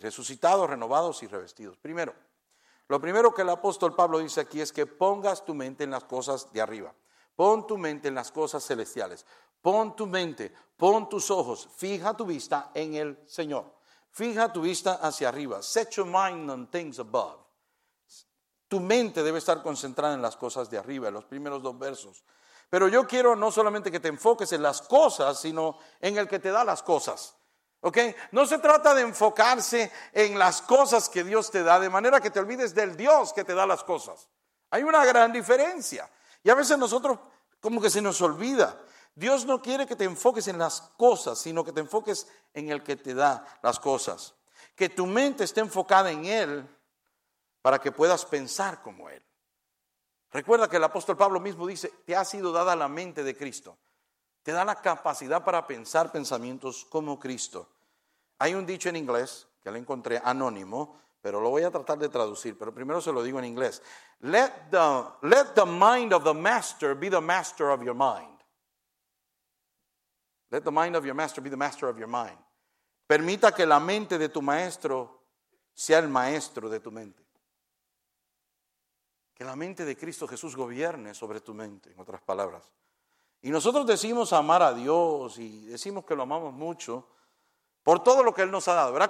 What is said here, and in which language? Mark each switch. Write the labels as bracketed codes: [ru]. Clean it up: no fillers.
[es] Resucitados, renovados y revestidos. Primero, lo primero que el apóstol Pablo dice aquí es que pongas tu mente en las cosas de arriba. Pon tu mente en las cosas celestiales. Pon tu mente, pon tus ojos, fija tu vista en el Señor. Fija tu vista hacia arriba. [en] Set your mind on things above. [es] Tu mente debe estar concentrada en las cosas de arriba, en los primeros 2 versos. Pero yo quiero no solamente que te enfoques en las cosas, sino en el que te da las cosas. ¿Okay? No se trata de enfocarse en las cosas que Dios te da, de manera que te olvides del Dios que te da las cosas. Hay una gran diferencia. Y a veces nosotros como que se nos olvida. Dios no quiere que te enfoques en las cosas, sino que te enfoques en el que te da las cosas. Que tu mente esté enfocada en Él para que puedas pensar como Él. Recuerda que el apóstol Pablo mismo dice, te ha sido dada la mente de Cristo. Te da la capacidad para pensar pensamientos como Cristo. Hay un dicho en inglés que le encontré anónimo, pero lo voy a tratar de traducir. Pero primero se lo digo en inglés. [en] Let the mind of the master be the master of your mind. Let the mind of your master be the master of your mind. [es] Permita que la mente de tu maestro sea el maestro de tu mente. Que la mente de Cristo Jesús gobierne sobre tu mente, en otras palabras. Y nosotros decimos amar a Dios y decimos que lo amamos mucho por todo lo que Él nos ha dado. ¿Verdad?